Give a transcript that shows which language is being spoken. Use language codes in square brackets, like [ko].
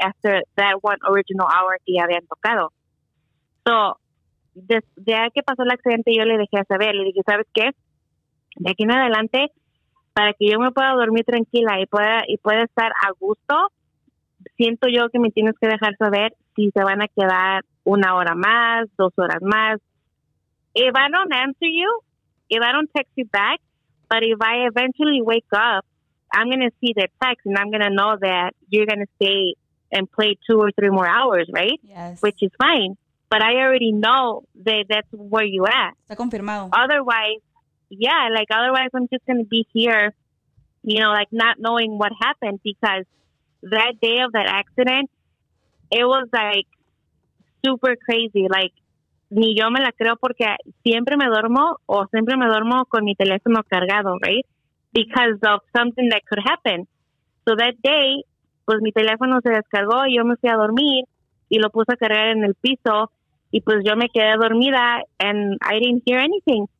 [en] After that one original hour [es] que ya habían tocado. So, desde que pasó el accidente, yo le dejé a saber, le dije, ¿sabes qué? De aquí en adelante... Para que yo me pueda dormir tranquila y pueda estar a gusto, siento yo que me tienes que dejar saber si se van a quedar una hora más, dos horas más. [en] If I don't answer you, if I don't text you back, but if I eventually wake up, I'm going to see the text and I'm going to know that you're going to stay and play two or three more hours, right? Yes. Which is fine. But I already know that that's where you're at. [es] Está confirmado. [en] Otherwise, yeah, like, otherwise I'm just going to be here, you know, like, not knowing what happened, because that day of that accident, it was, like, super crazy. [es] Like, ni yo me la creo porque siempre me duermo con mi teléfono cargado, [en] right? Because of something that could happen. So that day, [es] pues, mi teléfono se descargó y yo me fui a dormir y lo puse a cargar en el piso y, pues, yo me quedé dormida [en] and I didn't hear anything.